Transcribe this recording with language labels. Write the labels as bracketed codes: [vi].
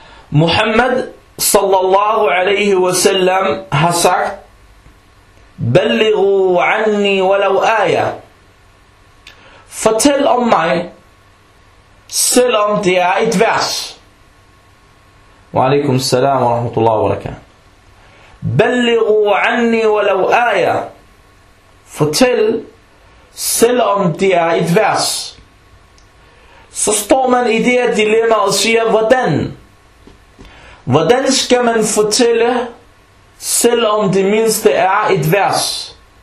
[da] Muhammad sallallahu alaihi wa sallam har sagt: [ar] بلغوا عني ولو آية. [da] Fortæl om mig, selvom det er et vers. [ar] وعليكم السلام ورحمة الله وبركاته. بلغوا عني ولو آية. [da] Fortæl, selvom det er et vers. Så står man i det dilemma og siger, hvordan? Hvordan skal man fortælle, selvom det mindste er et vers?